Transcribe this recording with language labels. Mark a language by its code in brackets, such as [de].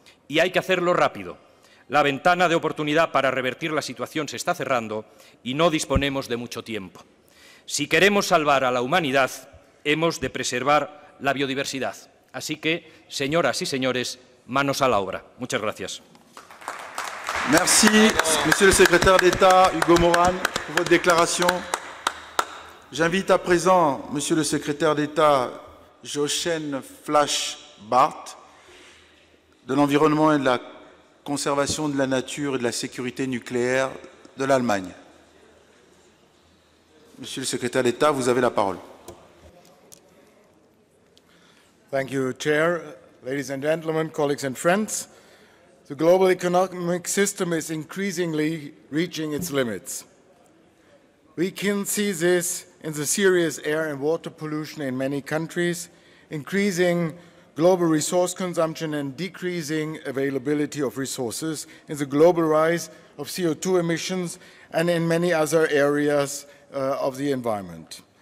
[es] Y hay que hacerlo rápido. La ventana de oportunidad para revertir la situación se está cerrando y no disponemos de mucho tiempo. Si queremos salvar a la humanidad, hemos de preservar la biodiversidad. Así que, señoras y señores, manos a la obra. Muchas gracias. [fr] Merci, Monsieur le secrétaire d'État Hugo Morán, pour votre déclaration. J'invite à présent Monsieur le secrétaire d'État Jochen Flash Barth de l'Environnement et de la Conservation de la Nature et de la Sécurité nucléaire de l'Allemagne. Monsieur le secrétaire d'État, vous avez la parole. [en] Thank you, Chair, ladies and gentlemen, colleagues and friends. The global economic system is increasingly reaching its limits. We can see this in the serious air and water pollution in many countries, increasing global resource consumption and decreasing availability of resources, in the global rise of CO2 emissions and in many other areas of the environment.